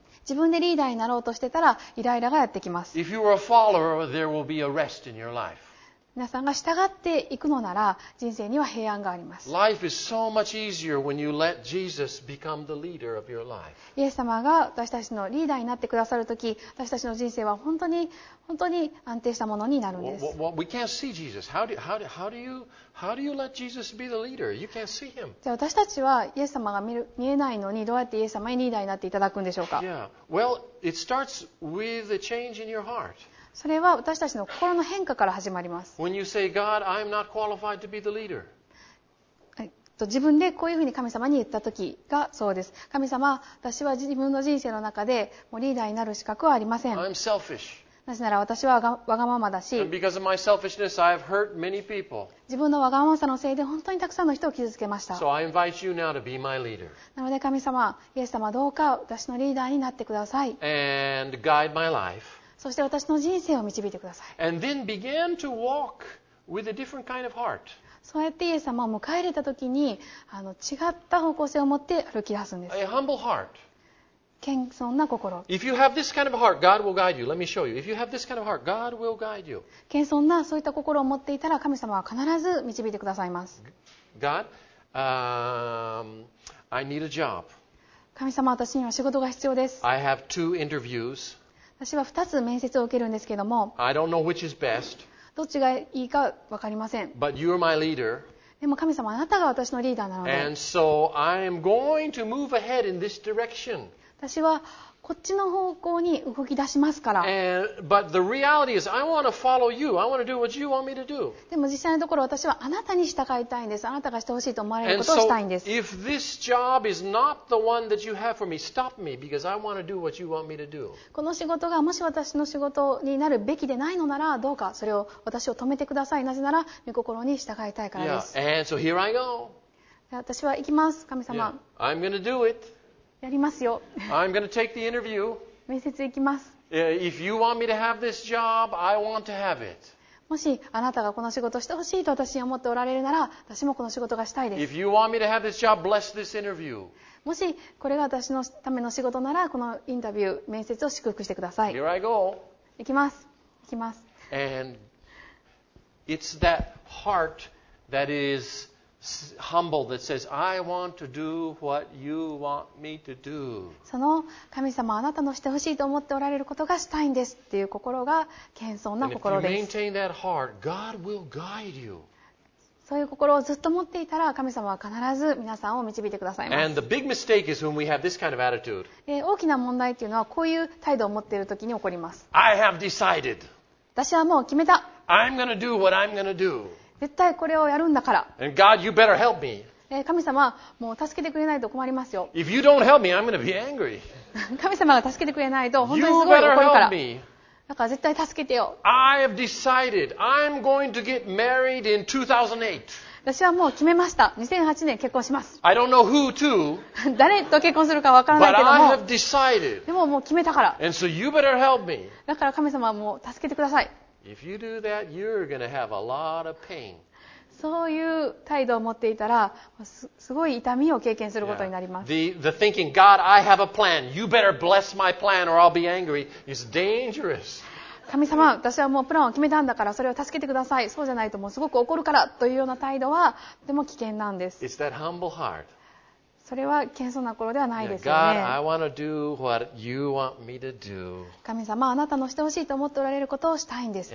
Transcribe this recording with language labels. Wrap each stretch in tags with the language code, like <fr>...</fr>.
<ja>自分でリーダーになろうとしてたらイライラがやってきます。</ja> <en>If you are a follower, there will be a rest in your life.</en> <ja>皆さんが従っていくのなら、人生には平安があります。</ja> <en>Life is so much easier when you let Jesus become the leader of your life.</en> <ja>イエス様が私たちのリーダーになってくださるとき、私たちの人生は本当に本当に安定したものになるんです。</ja> <en>Well, we can't see Jesus. How do you let Jesus be the leader? You can't see him.</en> <ja>じゃあ私たちはイエス様が見えないのに、どうやってイエス様にリーダーになっていただくんでしょうか。</ja> <en>Yeah. Well, it starts with a change in your heart.</en> <ja>それは私たちの心の変化から始まります。</ja> <en>When you say, God, I'm not qualified to be the leader.</en> <ja>自分でこういうふうに神様に言った時がそうです。神様、私は自分の人生の中でもうリーダーになる資格はありません。</ja> <en>I'm selfish.</en> <ja>なぜなら私はわがままだし、</ja> <en>And because of my selfishness, I've hurt many people.</en> <ja>自分のわがままさのせいで本当にたくさんの人を傷つけました。</ja> <en>So I invite you now to be my leader.</en> <ja>なので神様、イエス様、どうか私のリーダーになってください。</ja> <en>And guide my life.</en> <ja>そして私の人生を導いてください。</ja> <en>And then began to walk with a different kind of heart.</en> <ja>そうやってイエス様を迎え入れた時に、違った方向性を持って歩き出すんです。</ja> <en>A humble heart.</en> <ja>謙遜な心。</ja> <en>If you have this kind of heart, God will guide you. Let me show you. If you have this kind of heart, God will guide you.</en> <ja>謙遜なそういった心を持っていたら、神様は必ず導いてくださいます。</ja> <en>God, I need a job.</en> <ja>神様、私には仕事が必要です。</ja> <en>I have two interviews.</en> <ja>私は2つ面接を受けるんですけども、</ja> <en>I don't know which is best,</en> <ja>どっちがいいか分かりません。</ja> <en>But you are my leader.</en> <ja>でも神様、あなたが私のリーダーなので、</ja> <en>And so I am going to move ahead in this direction.</en> <ja>私はこっちの方向に動き出しますから。</ja> <en>And, but the reality is, I want to follow you. I want to do what you want me to do.</en> <ja>でも実際のところ、私はあなたに従いたいんです。あなたがしてほしいと思われることをしたいんです。</ja> <en>And so, if this job is not the one that you have for me, stop me because I want to do what you want me to do.</en> <ja>この仕事がもし私の仕事になるべきでないのなら、どうかそれを私を止めてください。なぜなら、御心に従いたいからです。</ja> <en>Yeah. And so here I go.</en> <ja>私は行きます、神様。</ja> <en>Yeah. I'm going to do it.</en> <ja>やりますよ。</ja> <en>I'm going to take the interview.</en> <ja>面接行きます。</ja> <en>If you want me to have this job, I want to have it.</en> <ja>もしあなたがこの仕事をしてほしいと私に思っておられるなら、私もこの仕事がしたいです。</ja> <en>If you want me to have this job, bless this interview.</en> <ja>もしこれが私のための仕事なら、このインタビュー、面接を祝福してください。</ja> <en>Here I go.</en> <ja>行きます。行きます。</ja> <en>And it's that heart that is humble that says, I want to do what you want me to do.</en> <ja>その神様、あなたのしてほしいと思っておられることがしたいんですっていう心が謙遜な心です。</ja> <en>And if you maintain that heart, God will guide you.</en> <ja>そういう心をずっと持っていたら、神様は必ず皆さんを導いてくださいます。</ja> <en>And the big mistake is when we have this kind of attitude.</en> <ja>大きな問題というのは、こういう態度を持っているときに起こります。</ja> <en>I have decided.</en> <ja>私はもう決めた。</ja> <en>I'm going to do what I'm going to do.</en> <ja>絶対これをやるんだから。</ja> <en>And God, you better help me.</en> <ja>神様、もう助けてくれないと困りますよ。</ja> <en>If you don't help me, I'm gonna be angry.</en> <ja>神様が助けてくれないと本当にすごい怒るから。</ja> <en>You better help me.</en> <ja>だから絶対助けてよ。</ja> <en>I have decided I'm going to get married in 2008.</en> <ja>私はもう決めました。2008年結婚します。</ja> <en>I don't know who to.</en> <ja>誰と結婚するかわからないけども。</ja> <en>But I have decided.</en> <ja>でももう決めたから。</ja> <en>And so you better help me.</en> <ja>だから神様、もう助けてください。</ja> <en>If you do that, you're going to have a lot of pain.</en> <ja>そういう態度を持っていたら、すごい痛みを経験することになります。</ja> <en>The thinking, God, I have a plan. You better bless my plan or I'll be angry is dangerous.</en> <ja>神様、私はもうプランを決めたんだから、それを助けてください。そうじゃないともうすごく怒るからというような態度はとても危険なんです。</ja> <en>It's that humble heart.</en> <ja>それは謙遜な心ではないですよね。</ja> <en>God, I want to do what you want me to do.</en> <ja>神様、あなたのしてほしいと思っておられることをしたいんです。</ja>